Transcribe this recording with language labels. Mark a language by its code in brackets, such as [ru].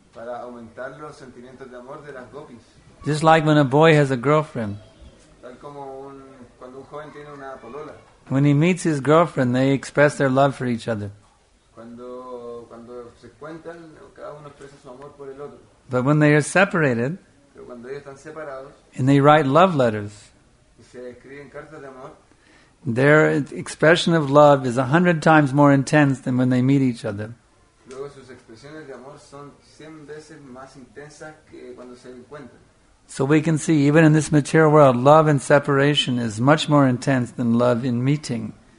[es] Para aumentar los sentimientos de amor de las gopis. [en] Just like when a boy has a girlfriend. [es] Tal como cuando un joven tiene una polola. [en] When he meets his girlfriend, they express their love for each other. [es] Cuando se cuentan, cada uno expresa su amor por el otro. [en] But when they are separated, [es] pero cuando ellos están separados, [en] and they write love letters, [es] y se escriben cartas de amor, [en] their expression of love is 100 times more intense than when they meet each other. [es] Luego sus expresiones de amor son 100 veces más intensas que cuando se encuentran. [en] So we can see, even in this material world, love and separation is much more intense than love in meeting.